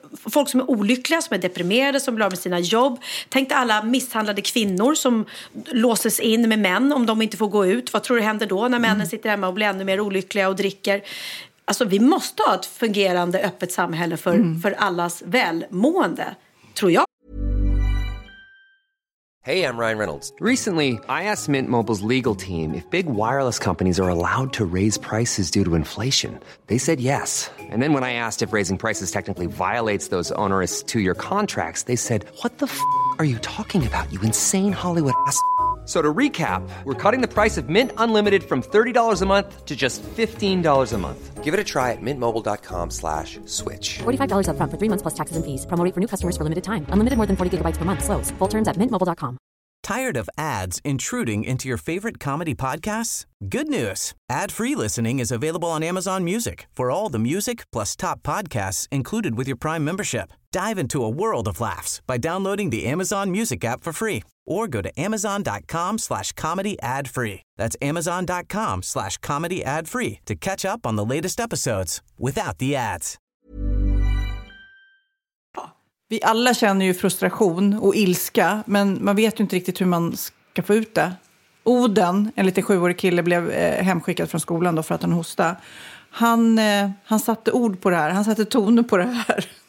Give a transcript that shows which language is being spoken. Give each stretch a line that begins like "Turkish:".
Swedish: Folk som är olyckliga, som är deprimerade, som blir med sina jobb. Tänk alla misshandlade kvinnor som låses in med män om de inte får gå ut. Vad tror du händer då när männen sitter hemma och blir ännu mer olyckliga och dricker? Alltså vi måste ha ett fungerande öppet samhälle för allas välmående, tror jag.
English: Hey, I'm Ryan Reynolds. Recently, I asked Mint Mobile's legal team if big wireless companies are allowed to raise prices due to inflation. They said yes. And then when I asked if raising prices technically violates those onerous two-year contracts, they said, what the f*** are you talking about, you insane Hollywood ass f***? So to recap, we're cutting the price of Mint Unlimited from $30 a month to just $15 a month. Give it a try at mintmobile.com/switch. $45 up front for 3 months plus taxes and fees. Promo rate for new customers for limited time. Unlimited more than 40 gigabytes per month. Slows full terms at mintmobile.com. Tired of ads intruding into your favorite comedy podcasts? Good news. Ad-free listening is available on Amazon Music for all the music plus top podcasts included with your Prime membership. Dive into a world of laughs by downloading the Amazon Music app for free. Or go to amazon.com/comedyadfree. That's amazon.com/comedyadfree to catch up on the latest episodes without the ads.
Swedish: Vi alla känner ju frustration och ilska, men man vet ju inte riktigt hur man ska få ut det. Oden, en liten 7-årig kille, blev hemskickad från skolan då för att han hostade. Han satte ord på det här, han satte tonen på det här.